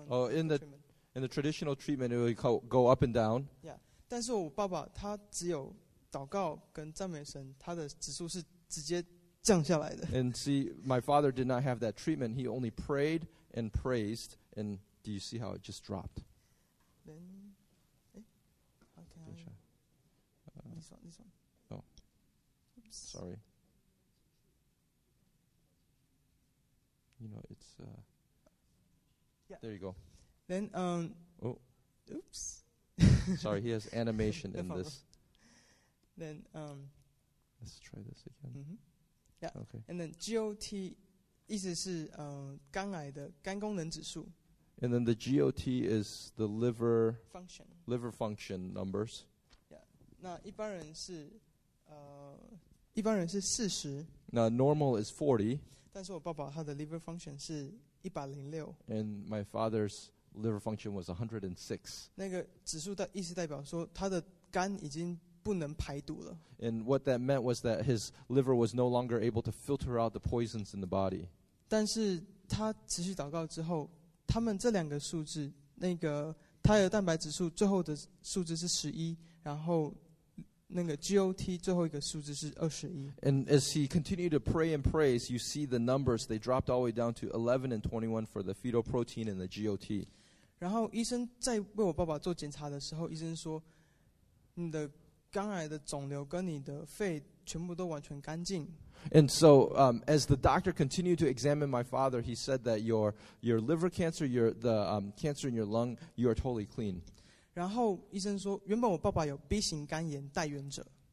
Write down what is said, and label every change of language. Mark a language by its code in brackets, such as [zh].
[en] In the traditional treatment, it will go up and down. Yeah, [zh] 但是我爸爸他只有祷告跟赞美神，他的指数是直接降下来的。 [en] And see, my father did not have that treatment. He only prayed. And praised, and do you see how it just dropped? Then, okay. This one. Oh. Oops. Sorry. You know, it's. Yeah. There you go. Then, Oh. Oops. Sorry, he has animation in this. Then, Let's try this again. Mm-hmm. Yeah. Okay. And then, GOT. [zh] 意思是肝癌的肝功能指数。 [en] And then the GOT is the liver function. Liver function numbers. Yeah. [zh] 那一般人是一般人是四十。那 [en] normal is 40. [zh] 但是我爸爸他的 liver function 是106。 [en] And my father's liver function was 106. [zh] 那个指数的意思代表说他的肝已经不能排毒了。 [en] And what that meant was that his liver was no longer able to filter out the poisons in the body. [zh] 但是他持续祷告之后，他们这两个数字，那个胎儿蛋白指数最后的数字是十一，然后那个 GOT 最后一个数字是二十一。 [en] And as he continued to pray and praise, you see the numbers, they dropped all the way down to 11 and 21 for the fetal protein and the GOT. [zh] 然后医生在为我爸爸做检查的时候，医生说你的肝癌的肿瘤跟你的肺全部都完全干净。 [en] And so, as the doctor continued to examine my father, he said that your liver cancer, cancer in your lung, you are totally clean. [zh] 然后医生说，原本我爸爸有 B 型肝炎带原者。